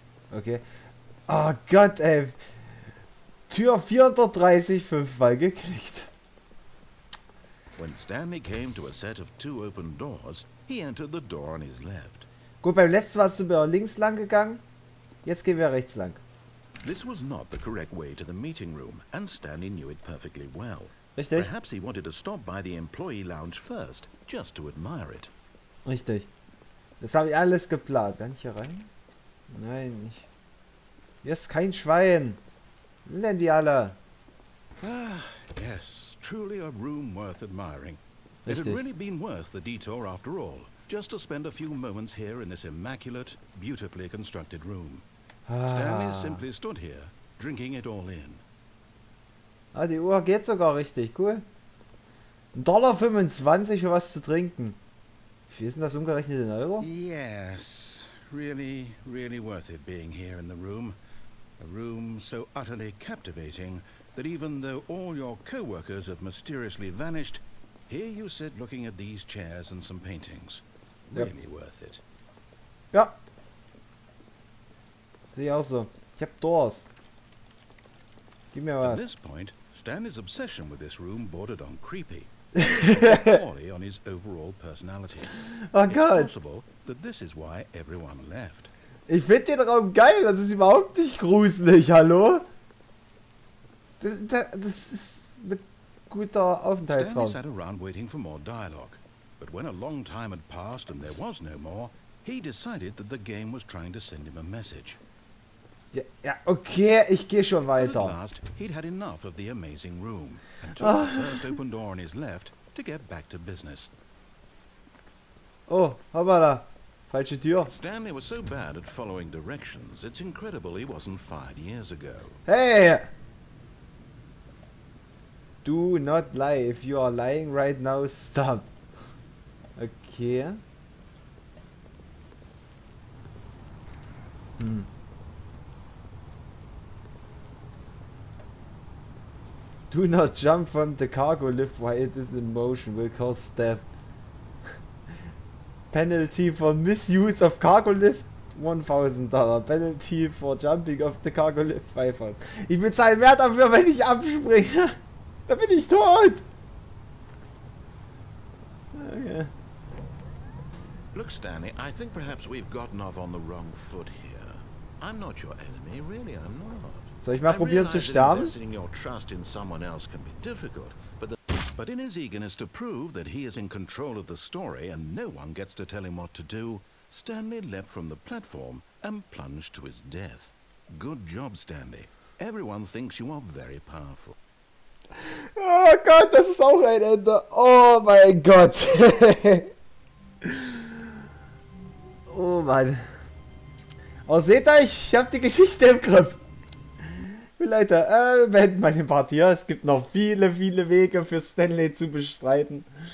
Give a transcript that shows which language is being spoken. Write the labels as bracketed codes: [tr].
[de] Hä? Okay. Oh Gott, ey. Tür 430 fünfmal geklickt. [en] When Stanley came to a set of 2 open doors, he entered the door on his left. [de] Gut, beim letzten warst du links lang gegangen. Jetzt gehen wir rechts lang. [en] This was not the correct way to the meeting room, and Stanley knew it perfectly well. [de] Richtig. [en] Perhaps he wanted to stop by the employee lounge first, just to admire it. [de] Richtig. Das habe ich alles geplant. Kann ich hier rein? Nein, ich... Hier ist kein Schwein. Nennen die alle. [en] Ah, yes. Truly a room worth admiring. It had really been worth the detour after all, just to spend a few moments here in this immaculate, beautifully constructed room. Stanley simply stood here, drinking it all in. [de] Ah, die Uhr geht sogar richtig, cool. $1.25 für was zu trinken. Wie ist denn das umgerechnet in Euro? [en] Yes, really, really worth it being here in the room. A room so utterly captivating that even though all your co-workers have mysteriously vanished, here you sit looking at these chairs and some paintings. Really yep. worth it. [de] Ja. Sehe ich auch so. Ich hab Durst. Gib mir was. [en] At this point, Stanley's obsession with this room bordered on creepy. Poorly on his overall personality. [de] Oh Gott. [en] It's possible that this is why everyone left. [de] Ich finde den Raum geil, das ist überhaupt nicht gruselig, hallo? Das ist ein guter Aufenthaltsraum. [en] Stanley sat around waiting for more dialogue. But when a long time had passed and there was no more, he decided that the game was trying to send him a message. [de] Ja, okay, ich gehe schon weiter. [en] At last, he'd had enough of the amazing room and took the first open door on his left to get back to business. [de] Oh, hoppala. Falsche Tür. [en] Stanley was so bad at following directions, it's incredible he wasn't fired years ago. Hey! Do not lie. If you are lying right now, stop. Okay. Do not jump from the cargo lift while it is in motion, will cause death. Penalty for misuse of cargo lift, $1,000. Penalty for jumping off the cargo lift, $500. [de] Ich bezahle mehr dafür, wenn ich abspringe. Da bin ich tot. Okay. [en] Look, Stanley, I think perhaps we've gotten off on the wrong foot here. I'm not your enemy, really, I'm not. [de] Soll ich mal probieren zu sterben? [en] Investing your trust in someone else can be difficult, but in his eagerness to prove that he is in control of the story and no one gets to tell him what to do, Stanley leapt from the platform and plunged to his death. Good job, Stanley. Everyone thinks you are very powerful. [de] Oh Gott, das ist auch ein Ende. Oh mein Gott. Oh Mann. Oh, seht ihr, ich hab die Geschichte im Griff. Leute, wir beenden meine Partie hier. Es gibt noch viele, viele Wege für Stanley zu bestreiten.